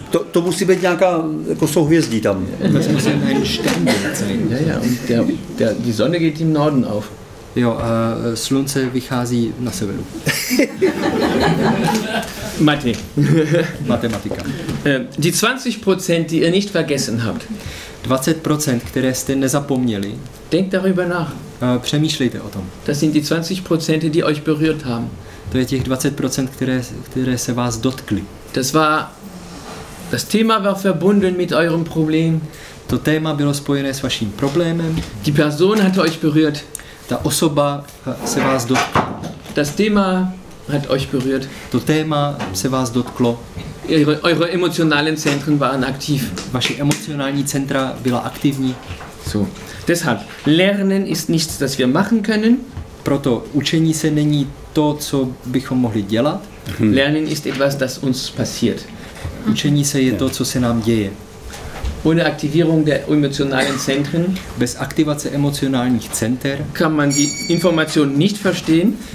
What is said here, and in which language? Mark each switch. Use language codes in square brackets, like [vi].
[cs] To musí být nějaká, jako jsou hvězdy tam. [de] Das muss ein Stern sein. Ja, ja. Und die Sonne geht im Norden auf. [cs] Jo, slunce vychází na severu. Matematika. [de] Die 20%, die ihr nicht vergessen habt. [cs] 20%, které jste nezapomněli. [de] Denkt darüber nach. [cs] Přemýšlejte o tom. [de] Das sind die 20%, die euch berührt haben. [cs] To je těch 20%, které se vás dotkly. [de] Das Thema war verbunden mit eurem Problem. [cs] To téma bylo spojené s vaším problémem. [de] Die Person hat euch berührt. [cs] Ta osoba se vás dotkla. [de] Das Thema hat euch berührt. [cs] To téma se vás dotklo. [de] Eure emotionalen Zentren waren aktiv. [cs] Vaše emocionální centra byla aktivní. [de] So. Deshalb lernen ist nichts, das wir machen können. [cs] Proto učení se není to, co bychom mohli dělat. [de] Lernen ist etwas, das uns passiert. [cs] Učení se je to, co se nám děje. [de] Ohne Aktivierung der emotionalen Zentren. [cs] Bez aktivace emocionálních center. [de] Kann man die Information nicht verstehen.